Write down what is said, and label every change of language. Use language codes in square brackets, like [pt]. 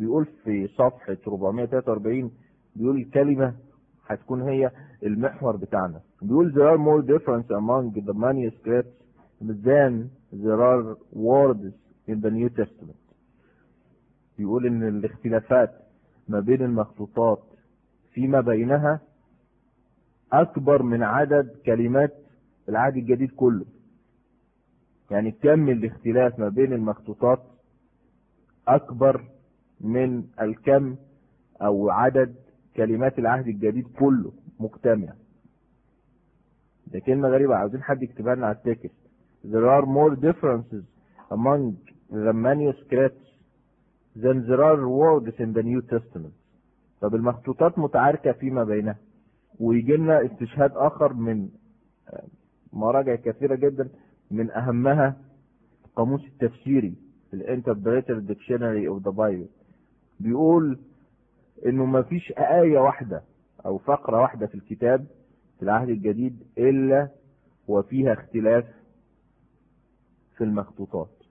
[ar] بيقول في صفحة 443 بيقول الكلمة هتكون هي المحور بتاعنا. بيقول [en] there are more difference among the manuscripts than there are words in the New Testament. [ar] بيقول ان الاختلافات ما بين المخطوطات فيما بينها اكبر من عدد كلمات العهد الجديد كله. يعني كم الاختلاف ما بين المخطوطات اكبر من الكم او عدد كلمات العهد الجديد كله مجتمع. ده كلمة غريبة، عاوزين حد يكتبها لنا على التكست. [en] There are more differences among the manuscripts than there are words in the New Testament. [ar] طب المخطوطات متعاركة فيما بينها، ويجي لنا استشهاد اخر من مراجع كثيرة جدا، من أهمها قاموس التفسيري الـ [en] Interpreter Dictionary of the Bible. [ar] بيقول إنه ما فيش آية واحدة أو فقرة واحدة في الكتاب في العهد الجديد إلا وفيها اختلاف في المخطوطات.